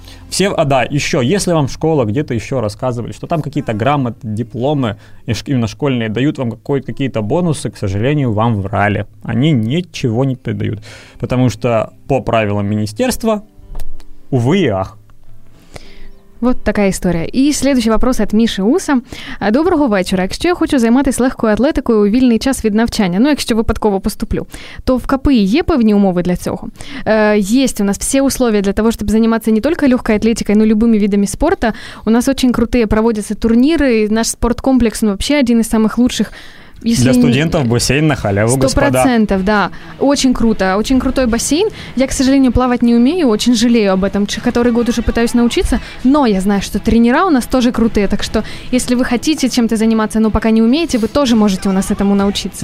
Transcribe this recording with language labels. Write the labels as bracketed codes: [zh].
[ru] Все, еще, если вам школа где-то еще рассказывали, что там какие-то грамоты, дипломы, именно школьные, дают вам какие-то бонусы, к сожалению, вам врали. Они ничего не придают. Потому что по правилам министерства, увы и ах. Вот такая история. І следующий вопрос от Міши Уса. [uk] Доброго вечора. Якщо я хочу займатися легкою атлетикою у вільний час від навчання, ну, якщо випадково поступлю, то в КПІ є певні умови для цього? Єсть у нас всі условия для того, щоб займатися не тільки легкою атлетикою, но й любими видами спорту. [ru] У нас очень крутые [uk] проводяться турніри, [ru] наш спорткомплекс, ну, вообще один із самых лучших. Если для студентов бассейн на халяву, 100%, господа. 100%, да. Очень круто. Очень крутой бассейн. Я, к сожалению, плавать не умею. Очень жалею об этом. Который год уже пытаюсь научиться. Но я знаю, что тренера у нас тоже крутые. Так что, если вы хотите чем-то заниматься, но пока не умеете, вы тоже можете у нас этому научиться.